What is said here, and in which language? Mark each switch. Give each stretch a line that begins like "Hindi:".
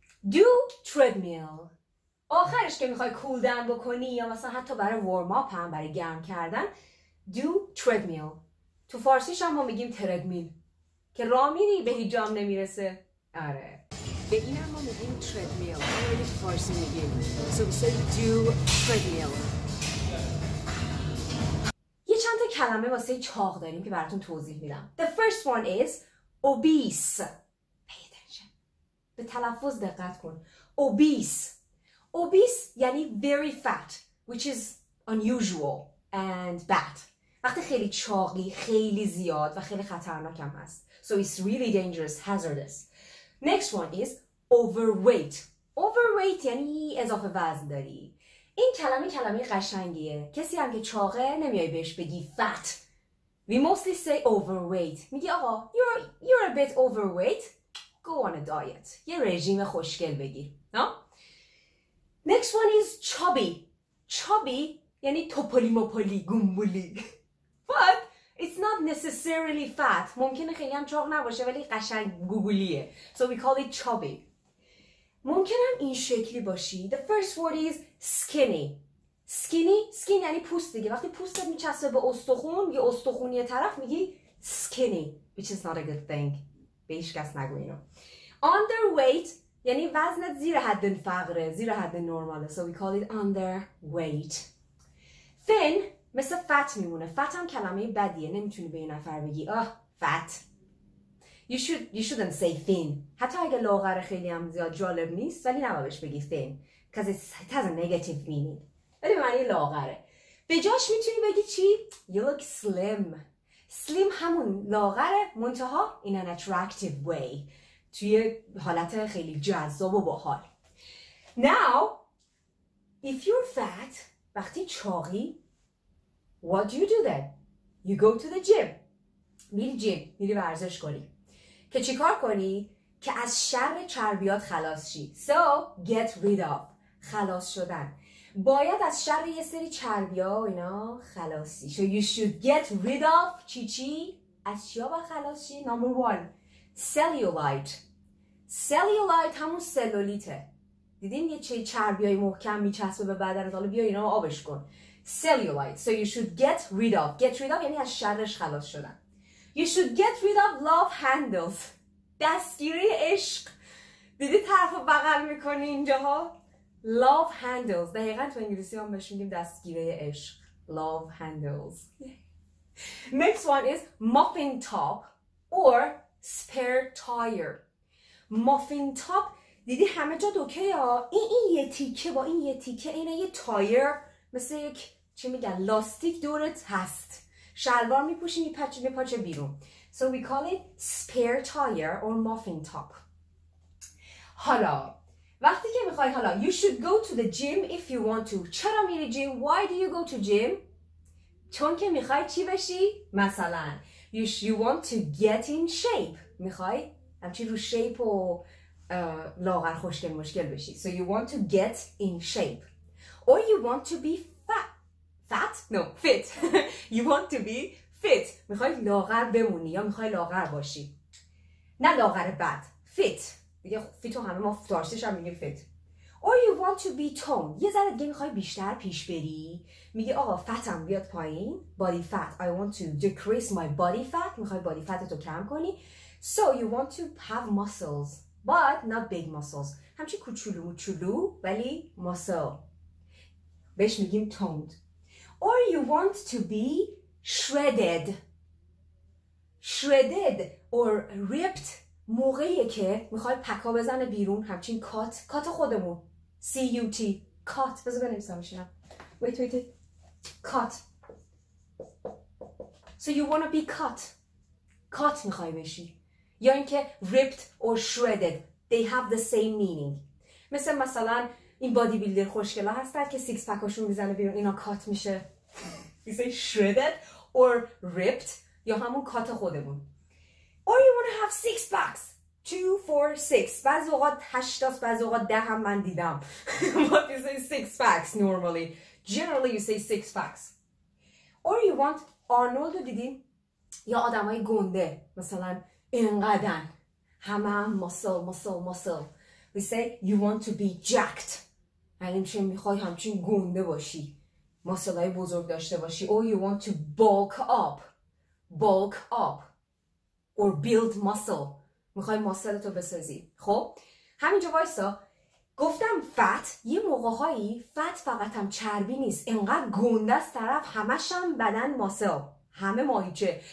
Persian: دو تردمیل آخرش که میخوای کول داون بکنی یا مثلا حتی برای وارم اپ هم، برای گرم کردن، دو تردمیل. تو فارسیش هم ما میگیم تردمیل که راه میری به هیچ جام نمیرسه. آره به این هم ما میگیم تردمیل، این رو فارسی میگیم.
English: So do treadmill.
Persian: یه چند تا کلمه واسه چاق داریم که براتون توضیح میدم.
English: The first one is obese. Pay attention.
Persian: به تلفظ دقت کن. Obese.
English: Obese
Persian: یعنی
English: very fat, which is unusual and bad.
Persian: وقتی خیلی چاقی، خیلی زیاد و خیلی خطرناکم هست.
English: So it's really dangerous, hazardous. Next one is overweight.
Persian: Overweight یعنی اضافه وزن داری. این کلمه کلمه قشنگیه. کسی هم که چاقه نمیای بهش بگی fat.
English: We mostly say overweight.
Persian: میگی آقا
English: you're a bit overweight. Go on a diet.
Persian: یه رژیم خوشگل بگیر.
English: Next one is chubby.
Persian: Chubby یعنی توپلی مپلی، گنبولی.
English: But it's not necessarily fat.
Persian: ممکنه خیلی هم چاق نباشه ولی قشنگ گوگولیه.
English: So we call it chubby.
Persian: ممکنه هم این شکلی باشی.
English: The first word is skinny.
Persian: Skinny, skin یعنی پوست دیگه. وقتی پوستت میچسبه به استخون، یه استخونی طرف، میگی skinny.
English: Which is not a good thing.
Persian: به هیچ کس نگو اینو. Underweight یعنی وزنت زیر حد فقره، زیر حد نرماله.
English: So we call it underweight.
Persian: Thin مثل فت میمونه. فت هم کلمه بدیه. نمیتونی به یه نفر بگی آه فت.
English: You shouldn't say thin.
Persian: حتی اگه لغت خیلی هم زیاد جالب نیست ولی نبایدش بگی thin.
English: Because it has a negative meaning.
Persian: ولی معنی لغته. به جاش میتونی بگی چی؟
English: You look slim. Slim
Persian: همون لغته، منتها
English: in an attractive way.
Persian: توی حالت خیلی جذاب و باحال.
English: Now, if you're fat،
Persian: وقتی چاقی،
English: what do you do then? You go to the gym.
Persian: میری جیم، میری ورزش کنی. که چیکار کنی؟ که از شر چربیات خلاص شی.
English: So, get rid of.
Persian: خلاص شدن. باید از شر یه سری چربیا و اینا خلاصی.
English: So you should get rid of
Persian: چی؟ از چیا با خلاص شی؟
English: Number one. Cellulite.
Persian: Cellulite همون سلولیته. دیدین یه چه چربیای محکم میچسبه به بدنت. حالا بیا اینا آبش کن.
English: Cellulite. So you should get rid of.
Persian: Get rid of یعنی از شرش خلاص شدن.
English: You should get rid of love handles.
Persian: دستگیری عشق. دیدی طرف رو بغل میکنی اینجاها؟ Love handles. دقیقا تو انگلیسی هم بشونیم دستگیری عشق.
English: Love handles. Next one is muffin top or spare tire.
Persian: Muffin top. دیدی همه جا دوکه ها؟ این یه تیکه با این یه تیکه، اینه یه تایر. مثل یک چی میگن لاستیک دورت هست. شلوار میپوشی میپچی میپچه بیرون.
English: So we call it spare tire or muffin top.
Persian: حالا وقتی که میخوای حالا
English: you should go to the gym if you want to.
Persian: چرا میری جیم؟
English: Why do you go to gym?
Persian: چون که میخوای چی بشی؟ مثلا
English: you want to get in shape.
Persian: میخوای همچین رو شیپ و لاغر خوشگل مشکل بشی.
English: So you want to get in shape. Or you want to be fat? No, fit. You want to be fit.
Persian: میخوای لاغر بمونی یا میخوای لاغر باشی. نه لاغر بد. Fit. دیگه فیتو همه ما فتارسیش هم میگیم fit.
English: Or you want to be toned.
Persian: یه ذره دیگه میخوای بیشتر پیش بری. میگه آقا فتم بیاد پایین. Body fat.
English: I want to decrease my body fat.
Persian: میخوای body fatتو کم کنی.
English: So you want to have muscles. But not big muscles.
Persian: همچی کوچولو کوچولو ولی muscle. بهش میگیم toned.
English: Or you want to be shredded. Shredded or ripped.
Persian: موقعیه که میخوای پکا بزنه بیرون. همچین cut. Cut خودمون. C-U-T. Cut. بذار بنویسم میشنم. Wait. Cut.
English: So you wanna be cut.
Persian: Cut میخوای بشی. یا اینکه
English: ripped or shredded. They have the same meaning.
Persian: مثلا این بادی بیلدر خوشگله هستن که سیکس پکاشون میزنه بیرون. اینا کات میشه.
English: You say shredded or ripped.
Persian: یا همون کات خودمون.
English: Or you wanna have six packs.
Persian: 2, 4, 6. بعض اوقات 8 تاست. بعض اوقات 10 هم من دیدم.
English: But you say six packs normally. Generally you say six packs. Or you want
Persian: Arnold دیدی؟ یا آدم های گنده. مثلا اینقدر. همه هم مسل.
English: We say you want to be jacked.
Persian: یعنی میشه میخوای همچین گنده باشی. مسل های بزرگ داشته باشی.
English: Or you want to bulk up.
Persian: Bulk up.
English: Or build muscle.
Persian: میخوای مسلتو بسازی. خب همینجا وایسا. گفتم فت. یه موقع هایی فت فقط هم چربی نیست. اینقدر گنده از طرف همش هم بدن مسل. همه ماهیچه.